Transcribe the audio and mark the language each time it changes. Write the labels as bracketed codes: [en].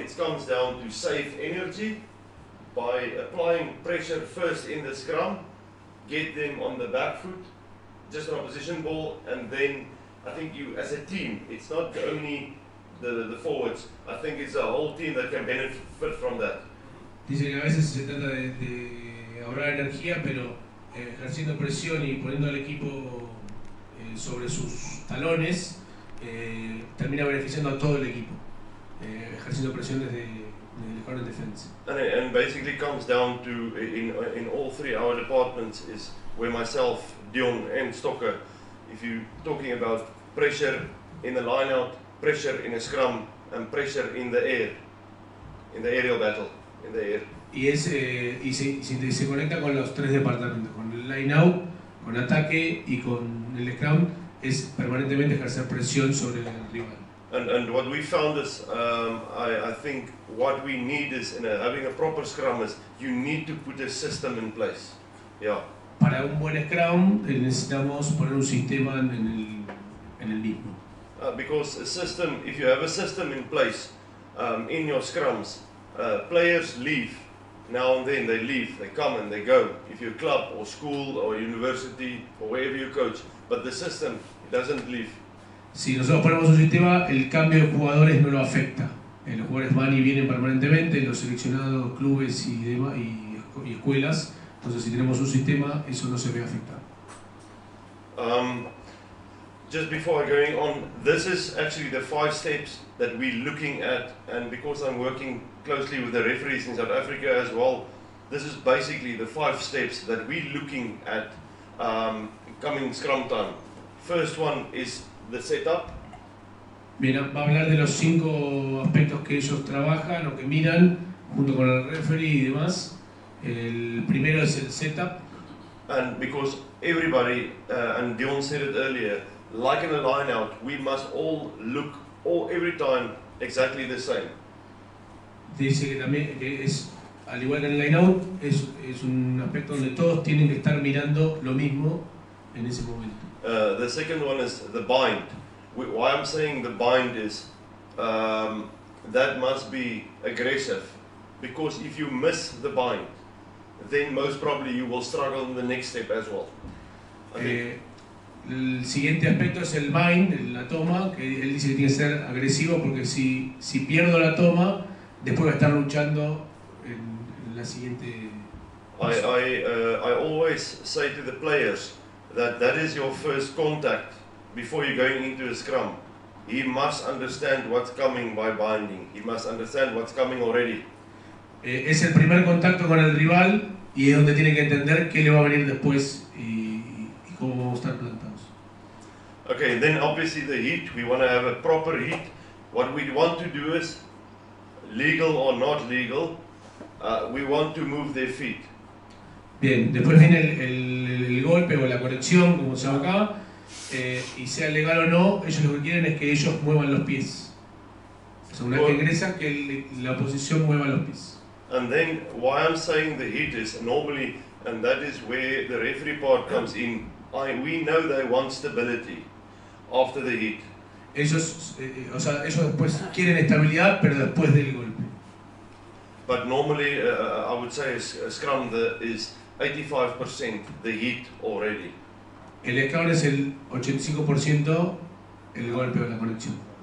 [en] It comes down to save energy by applying pressure first in the scrum, get them on the back foot, just an opposition ball, and then I think you as a team. It's not only the forwards. I think it's a whole team that can benefit from that. [es] Dicen que a veces se trata de ahorrar energía, pero ejerciendo presión y poniendo al equipo sobre sus talones, termina beneficiando a todo el equipo, ejerciendo presión desde el corner defense. [en] And basically comes down to in all three our departments is where myself, Dion and Stocker, if you talking about pressure in the lineout, pressure in a scrum and pressure in the air, in the aerial battle, in the air. [es] Y se conecta con los tres departamentos, con el lineout, con ataque y con el scrum, es permanentemente ejercer presión sobre el rival. [en] And what we found is, I think what we need is in having a proper scrum is you need to put a system in place. Yeah. [es] Para un buen scrum necesitamos poner un sistema en el mismo. [en] Because a system, if you have a system in place, in your scrums, players leave. Now and then they leave, they come and they go. If you're a club or school or university or wherever you coach, but the system doesn't leave. [es] Si nosotros ponemos un sistema, el cambio de jugadores no lo afecta. Los jugadores van y vienen permanentemente, los seleccionados, clubes y demás y escuelas. Entonces, si tenemos un sistema, eso no se ve afectado. [en] Just before going on, this is actually the five steps that we're looking at, and because I'm working closely with the referees in South Africa as well, this is basically the five steps that we're looking at coming scrum time. First one is the setup. [es] Mira, va a hablar de los cinco aspectos que ellos trabajan o que miran junto con el referee y demás. El primero es el setup. [en] And because everybody, and Dion said it earlier, like in a line out, we must all look all every time exactly the same. [es] Dice que también que es al igual que en el line out, es un aspecto donde todos tienen que estar mirando lo mismo en ese momento. [en] The second one is the bind. Why I'm saying the bind is that must be aggressive, because if you miss the bind, then most probably you will struggle in the next step as well. [es] El siguiente aspecto es el bind, la toma, que él dice que tiene que ser agresivo porque si pierdo la toma, después va a estar luchando en la siguiente. [en] I always say to the players that is your first contact before you're going into a scrum. He must understand what's coming by binding. He must understand what's coming already. [es] Es el primer contacto con el rival y es donde tiene que entender qué le va a venir después y cómo vamos a estar plantando. [en] Okay, then obviously the heat, we want to have a proper heat. What we want to do is, legal or not legal, we want to move their feet. [es] Bien, después viene el golpe o la corrección, como se llama acá, y sea legal o no, ellos lo que quieren es que ellos muevan los pies. O sea, una vez que ingresa, que la oposición mueva los pies. [en] And then, why I'm saying the heat is normally, and that is where the referee part comes in, we know they want stability after the hit. [es] Ellos después quieren estabilidad, pero después del golpe. [en] But normally, I would say a scrum that is 85% the hit already. [es] El scrum es el 85% el golpe o la conexión.